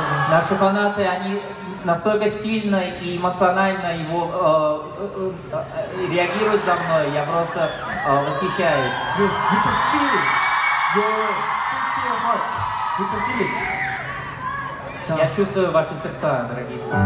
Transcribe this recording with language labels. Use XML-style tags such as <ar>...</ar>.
<ru>Наши фанаты, они настолько сильно и эмоционально его реагируют за мной, я просто восхищаюсь.</ru> <en>Yes, you can feel your sincere heart. You can feel it.</en> <ru>Я чувствую ваши сердца, дорогие.</ru>